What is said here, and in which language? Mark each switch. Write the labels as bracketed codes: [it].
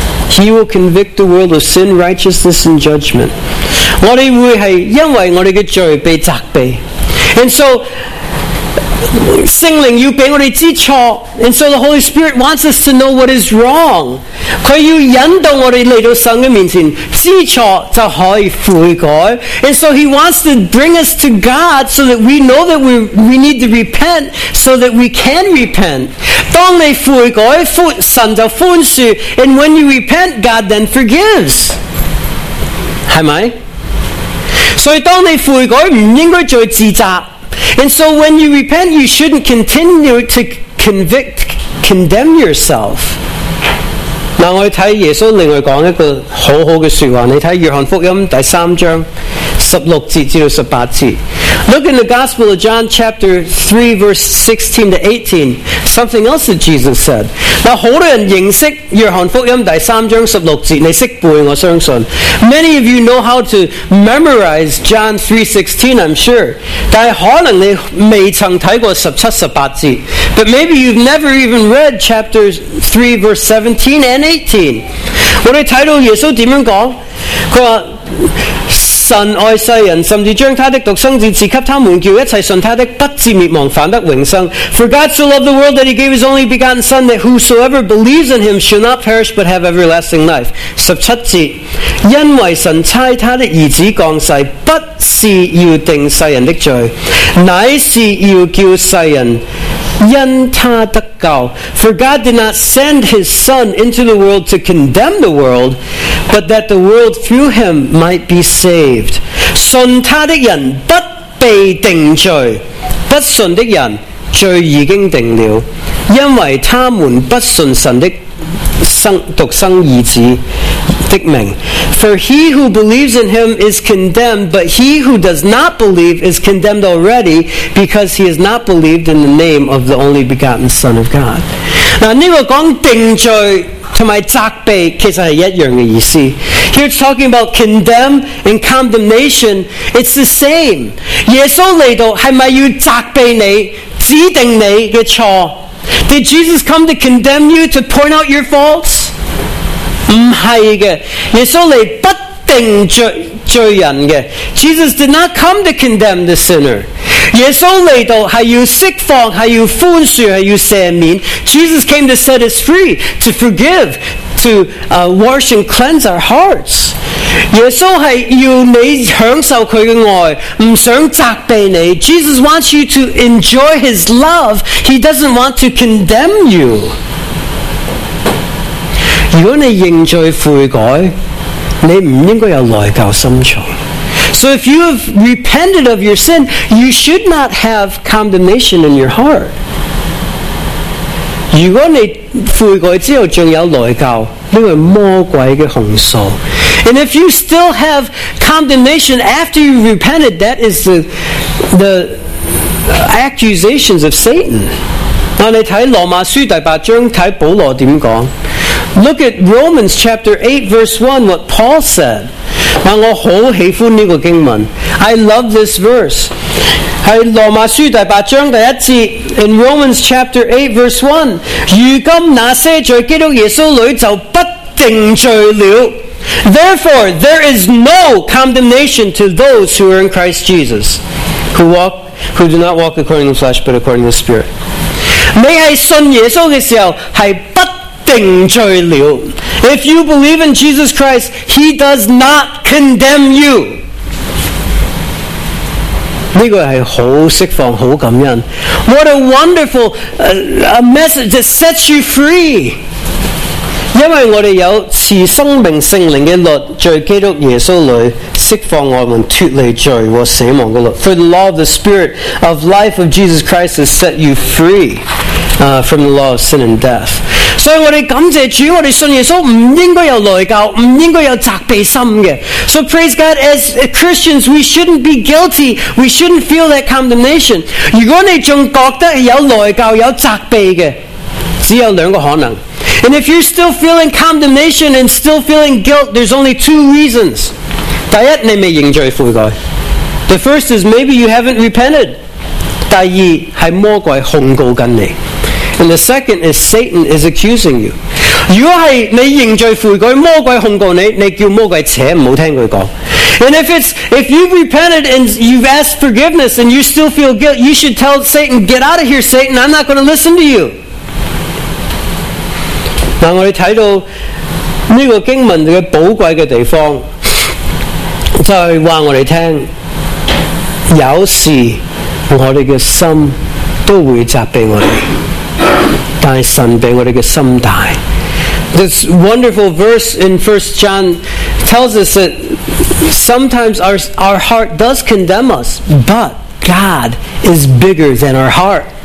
[en] He will convict the world of sin, righteousness, and judgment. [zh] 我们会是因为我们的罪被责备。 [en] And so, [zh] 圣灵要给我们知错。 [en] And so the Holy Spirit wants us to know what is wrong. [zh] 他要引导我们来到神的面前。知错就可以悔改。 [en] And so he wants to bring us to God so that we know that we need to repent so that we can repent. [zh] 当你悔改，神就宽恕。 [en] And when you repent, God then forgives. [zh] 是吗？所以当你悔改，不应该再自责。 [en] And so when you repent, you shouldn't continue to condemn yourself. [zh] 那我们看耶稣另外讲一个很好的说话，你看约翰福音第三章十六节至十八节。 [en] Look in the Gospel of John chapter 3 verse 16 to 18, something else that Jesus said. [zh] 那很多人认识约翰福音第三章十六节，你识背我相信。 [en] Many of you know how to memorize John 3:16, I'm sure. [zh] 但可能你未曾睇过十七十八节。 [en] But maybe you've never even read chapters 3 verse 17 and 18. [zh] 我的睇到耶稣怎样讲，佢话神爱世人，甚至将他的独生子赐给他们，叫一切信他的不至灭亡，反得永生。 [en] For God so loved the world that he gave his only begotten Son, that whosoever believes in him shall not perish but have everlasting life. [zh] 十七节，因为神差他的儿子降世，不是要定世人的罪，乃是要叫世人因他得救。 [en] For God did not send his Son into the world to condemn the world, but that the world through him might be saved. [zh] 信他的人不被定罪，不信的人罪已经定了，因为他们不信神的独生儿子的名。 [en] For he who believes in him is condemned, but he who does not believe is condemned already, because he has not believed in the name of the only begotten Son of God. [zh] 那这个讲定罪和责备其实是一样的意思。 [en] Here it's talking about condemn and condemnation. It's the same. [zh] 耶稣来到是不是要责备你，指定你的错？ [en] Did Jesus come to condemn you, to point out your faults? [zh] 不是的，耶稣来不定 罪人的。 [en] Jesus did not come to condemn the sinner. [zh] 耶稣来到是要释放，是要宽恕，是要赦免。 [en] Jesus came to set us free, to forgive, to wash and cleanse our hearts. [zh] 耶稣是要你享受祂的爱，不想责备你。 [en] Jesus wants you to enjoy his love. He doesn't want to condemn you. [zh] 如果你认罪悔改，你不应该有内疚深重。 [en] So if you have repented of your sin, you should not have condemnation in your heart. [zh] 如果你悔改之后还有内疚，因为魔鬼的控诉。 [en] And if you still have condemnation after you've repented, that is the accusations of Satan. [zh] 那你看罗马书第八章，看保罗怎么说。 [en] Look at Romans chapter 8 verse 1, what Paul said. [zh] 那我好喜欢这个经文。 [en] I love this verse. [zh] 在罗马书第八章第一节， [en] In Romans chapter 8 verse 1, [zh] 如今那些在基督耶稣里就不定罪了。 [en] Therefore, there is no condemnation to those who are in Christ Jesus, who do not walk according to the flesh, but according to the Spirit. [zh] 你是信耶稣的时候，是不定罪了。 [en] If you believe in Jesus Christ, he does not condemn you. [zh] 这个是很释放，很感恩。 [en] What a wonderful message that sets you free. [zh] 因为我们有赐生命圣灵的律，在基督耶稣里释放我们脱离罪和死亡的律。 [en] For the law of the spirit of life of Jesus Christ has set you free from the law of sin and death. [zh] 所以我们感谢主，我们信耶稣不应该有内疚，不应该有责备心的。 [en] So praise God, as Christians we shouldn't be guilty, we shouldn't feel that condemnation. [zh] 如果你还觉得有内疚有责备的，只有两个可能。 [en] And if you're still feeling condemnation and still feeling guilt, there's only two reasons. [zh] 第一，你未认罪悔改。 [en] The first is maybe you haven't repented. [zh] 第二，是魔鬼控告紧你。 [en] And the second is Satan is accusing you. [zh] 如果是你认罪悔改，魔鬼控告你，你叫魔鬼扯，唔好听佢讲。 [en] And if you've repented and you've asked forgiveness and you still feel guilt, you should tell Satan, get out of here, Satan, I'm not going to listen to you. [zh] 但我们看到这个经文的宝贵的地方，就是告诉我们，有时我们的心都会责备我们，但是神比我们的心大。 [en] This wonderful verse in 1 John tells us that sometimes our heart does condemn us, but God is bigger than our heart.